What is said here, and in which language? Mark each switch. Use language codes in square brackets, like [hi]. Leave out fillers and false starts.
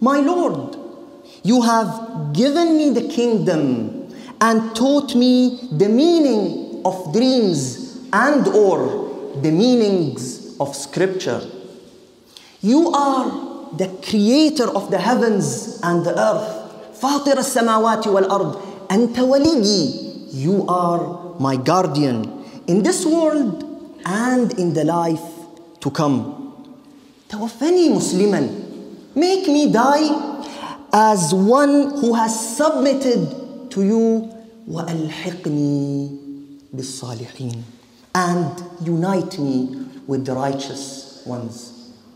[en] My Lord, you have given me the kingdom and taught me the meaning of dreams and or the meanings of scripture. You are the creator of the heavens and the earth. [ar] فاطر السماوات والأرض أنت وليي. [en] You are my guardian in this world and in the life to come. [ar] توفني مسلما. [en] Make me die as one who has submitted to you. [ar] وألحقني بالصالحين, [en] and unite me with the righteous ones.